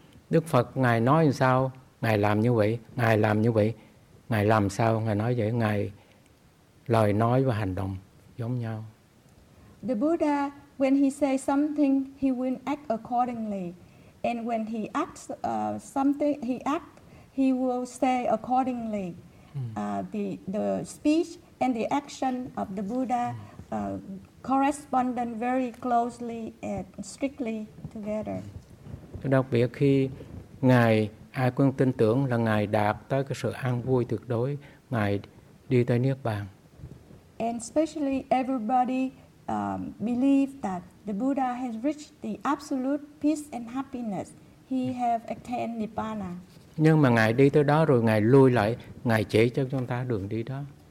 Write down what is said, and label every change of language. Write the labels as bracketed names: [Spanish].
[Vietnamese] Đức Phật ngài nói như sao, ngài làm như vậy, ngài làm như vậy, ngài làm sao, ngài nói vậy, ngài lời nói và hành động giống nhau. [English] The Buddha, when he says something, he will act accordingly, and when he acts something, he act, he will say accordingly. The speech and the action of the Buddha correspond very closely and strictly together. [Vietnamese] Đặc biệt khi ngài ai cũng tin tưởng là ngài đạt tới cái sự an vui tuyệt đối, ngài đi tới Niết Bàn. [English] And especially everybody believe that the Buddha has reached the absolute peace and happiness. He have attained Nibbana. [Vietnamese] Nhưng mà ngài đi tới đó rồi ngài lui lại, ngài chỉ cho chúng ta đường đi đó.